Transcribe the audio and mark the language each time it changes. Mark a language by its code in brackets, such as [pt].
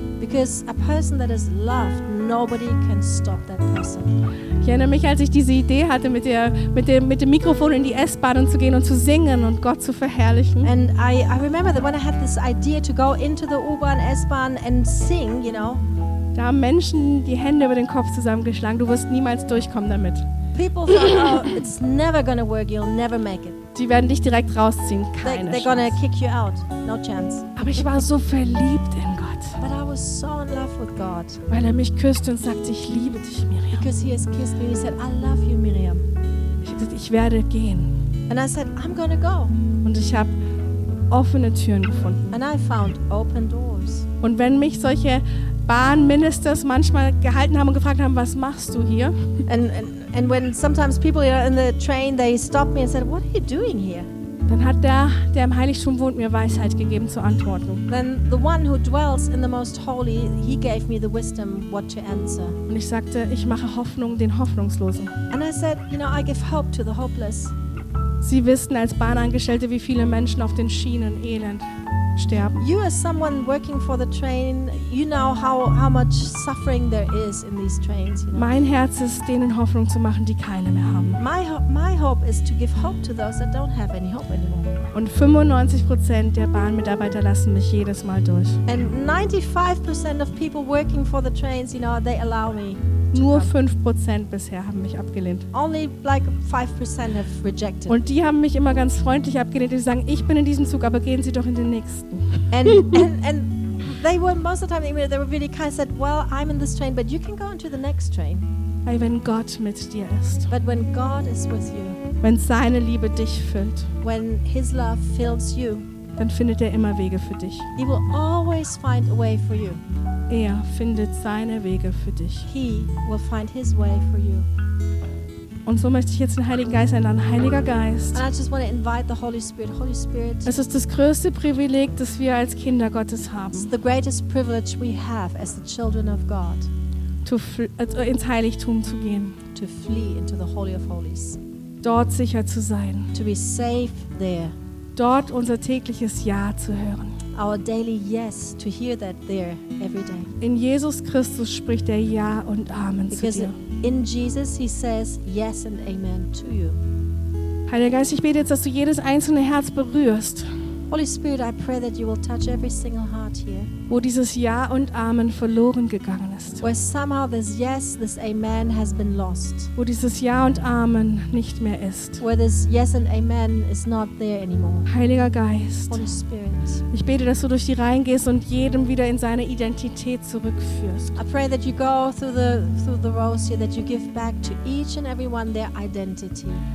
[en] Because a person that is loved, nobody can stop that person. [de] Ich erinnere mich, als ich diese Idee hatte, mit dem Mikrofon in die S-Bahn und zu gehen und zu singen und Gott zu verherrlichen. [en] And I remember that when I had this idea to go into the U-Bahn, S-Bahn and sing, you know. [de] Da haben Menschen die Hände über den Kopf zusammengeschlagen. Du wirst niemals durchkommen damit. [en] People thought, oh, it's never gonna work. You'll never make it. [de] Die werden dich direkt rausziehen. Keine Chance. [en] They're gonna kick you out. No chance. [de] Aber ich war so verliebt in Gott. [en] But I was so in love with God. [de] Weil er mich küsst und sagt, ich liebe dich, Miriam. [en] Because he has kissed me and he said, I love you, Miriam. [de] Ich habe gesagt, ich werde gehen. [en] And I said, I'm gonna go. [de] Und ich habe offene Türen gefunden. [en] And I found open doors. [de] Und wenn mich solche Bahnministers manchmal gehalten haben und gefragt haben, was machst du hier? [en] And when sometimes people are in the train, they stop me and said, what are you doing here? [de] Dann hat der im Heiligtum wohnt, mir Weisheit gegeben zu antworten. [en] Then the one who dwells in the most holy, he gave me the wisdom what to answer. [de] Und ich sagte, ich mache Hoffnung den Hoffnungslosen. [en] And I said, you know, I give hope to the hopeless. [de] Sie wissen als Bahnangestellte, wie viele Menschen auf den Schienen elend sterben. [en] You as someone working for the train, you know how much suffering there is in these trains. You know? [de] Mein Herz ist, denen Hoffnung zu machen, die keine mehr haben. [en] My hope is to give hope to those that don't have any hope anymore. [de] Und 95% der Bahnmitarbeiter lassen mich jedes Mal durch. [en] And 95% of people working for the trains, you know, they allow me. [de] Nur 5% bisher haben mich abgelehnt. [en] Only like 5% have rejected. [de] Und die haben mich immer ganz freundlich abgelehnt. Die sagen, ich bin in diesem Zug, aber gehen Sie doch in den nächsten. [en] And they were most of the time, they were really kind of said, well, I'm in this train, but you can go into the next train. [de] Weil wenn Gott mit dir ist. [en] But when God is with you. [de] Wenn seine Liebe dich füllt. [en] When his love fills you. [de] Dann findet er immer Wege für dich. [en] He will always find a way for you. [de] Er findet seine Wege für dich. [en] He will find his way for you. [de] Und so möchte ich jetzt den Heiligen Geist einladen. Heiliger Geist. [en] And I just want to invite the Holy Spirit. Holy Spirit. [de] Es ist das größte Privileg, das wir als Kinder Gottes haben. [en] It's the greatest privilege we have as the children of God. [de] Ins Heiligtum zu gehen. [en] To flee into the Holy of Holies. [de] Dort sicher zu sein. [en] To be safe there. [de] Dort unser tägliches Ja zu hören. [en] Our daily yes, to hear that there every day. [de] In Jesus Christus spricht er Ja und Amen [en] Because [de] zu dir. [en] In Jesus he says yes and amen to you. [de] Heiliger Geist, ich bete jetzt, dass du jedes einzelne Herz berührst. [en] Holy Spirit, I pray that you will touch every single heart here. [de] Wo dieses Ja und Amen verloren gegangen ist. [en] Where somehow this yes, this amen has been lost. [de] Wo dieses Ja und Amen nicht mehr ist. [en] Where this yes and amen is not there anymore. [de] Heiliger Geist. [en] Holy Spirit. [de] Ich bete, dass du durch die Reihen gehst und jedem wieder in seine Identität zurückführst. [en] I pray that you go through the rows here, that you give back to each and every one their identity.